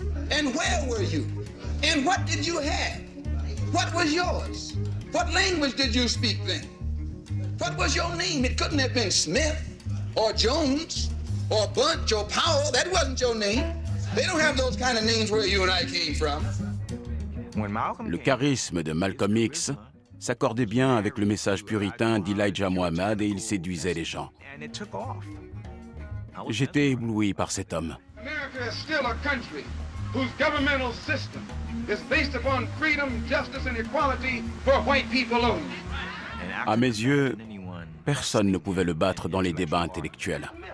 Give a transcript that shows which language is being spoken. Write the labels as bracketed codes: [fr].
[en] And where were you? And what did you have? What was yours? What language did you speak then? What was your name? It couldn't have been Smith or Jones or Bunch or Powell. That wasn't your name. They don't have those kind of names where you and I came from. [fr] Le charisme de Malcolm X s'accordait bien avec le message puritain d'Elijah Muhammad et il séduisait les gens. J'étais ébloui par cet homme. [en] America is still a country whose governmental system is based upon freedom, justice and equality for white people only. [fr] À mes yeux, personne ne pouvait le battre dans les débats intellectuels.